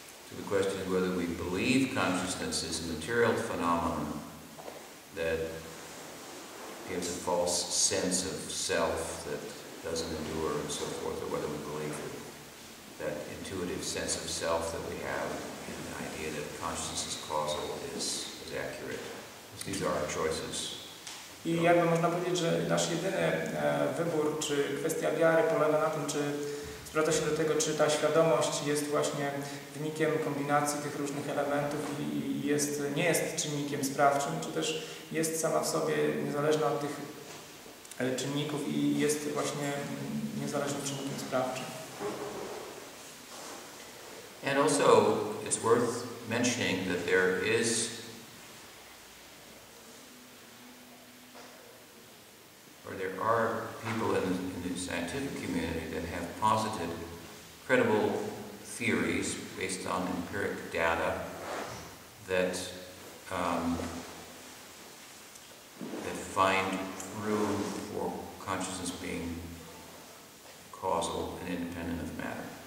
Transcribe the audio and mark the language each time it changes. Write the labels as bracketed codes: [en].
[en] So the question is whether we believe consciousness is a material phenomenon that gives a false sense of self that doesn't endure and so forth, or whether we believe that intuitive sense of self that we have and the idea that consciousness is causal is accurate. These are our choices. [pl] I jakby można powiedzieć, że nasz jedyny wybór czy kwestia wiary polega na tym, czy zwraca się do tego, czy ta świadomość jest właśnie wynikiem kombinacji tych różnych elementów i nie jest czynnikiem sprawczym, czy też jest sama w sobie niezależna od tych czynników i jest właśnie niezależnym czynnikiem sprawczym. [en] And also it's worth mentioning that there is or there are people in the scientific community that have posited credible theories based on empiric data that that find room for consciousness being causal and independent of matter.